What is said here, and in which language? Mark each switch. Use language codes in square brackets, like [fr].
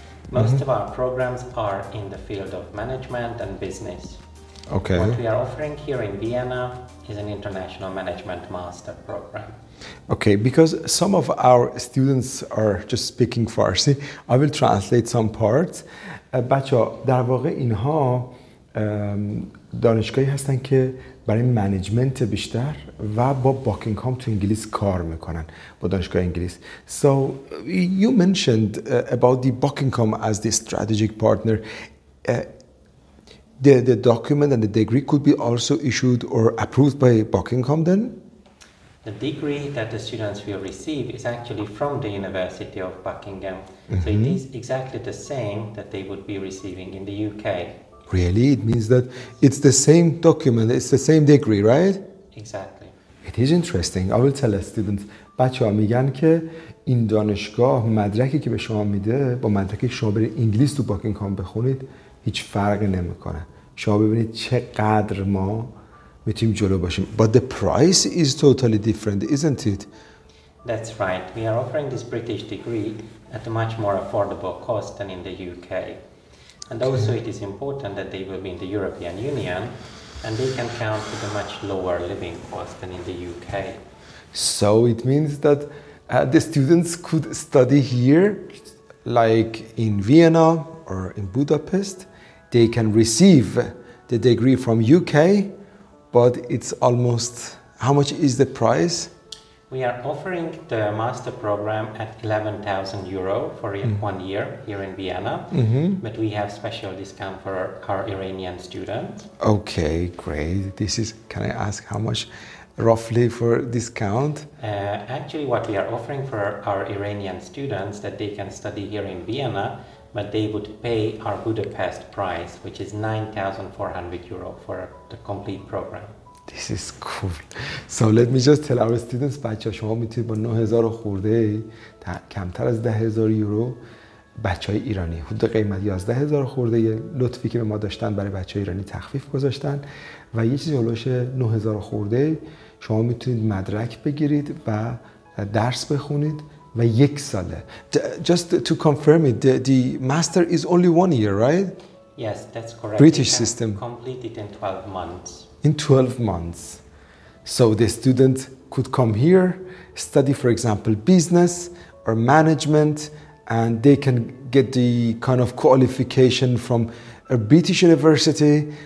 [en] Most of our programs are in the field of management and business. Okay. What we are offering here in Vienna is an international management master program. Okay, because some of our students are just speaking Farsi. I will translate some parts. [fa] بچه‌ها در واقع اینها دانشگاهی هستن که برای منیجمنت بیشتر و با باکینگهام تو انگلیس کار میکنن، با دانشگاه انگلیس. [en] So you mentioned about the Buckingham as the strategic partner. The document and the degree could be also issued or approved by Buckingham then? The degree that the students will receive is actually from the University of Buckingham. Mm-hmm. So it is exactly the same that they would be receiving in the UK. Really? It means that it's the same document, it's the same degree, right? Exactly. It is interesting. I will tell a student. [fa] بچه‌ها میگن که این دانشگاه مدرکی که به شما میده با مدرکی که شما برید انگلیس تو باکینگهام بخونید هیچ فرق نمی کنه. شما ببینید چقدر ما میتونیم جلو باشیم. [en] But the price is totally different, isn't it? That's right. We are offering this British degree at a much more affordable cost than in the UK. And okay. Also it is important that they will be in the European Union and they can count with a much lower living cost than in the UK. So it means that the students could study here like in Vienna or in Budapest, they can receive the degree from UK, but it's almost, how much is the price? We are offering the master program at 11,000 euro for 1 year here in Vienna, but we have special discount for our Iranian students. Okay, great. This is, can I ask how much roughly for discount? Actually, what we are offering for our Iranian students that they can study here in Vienna, but they would pay our Budapest price, which is 9,400 euro for the complete program. This is cool. So let me just tell our students, [fa] بچه ها شما میتونید با 9,000 خورده کمتر از 10,000 یورو بچه های ایرانی حدود قیمت 11,000 خورده لطفی که به ما داشتن برای بچه های ایرانی تخفیف گذاشتن و یه چیزی حلوش 9,000 خورده شما میتونید مدرک بگیرید و درس بخونید و یک ساله. [en] Just to confirm it, the master is only 1 year, right? Yes, that's correct. British system. Complete it in 12 months. In 12 months. So the student could come here, study, for example, business or management, and they can get the kind of qualification from a British university.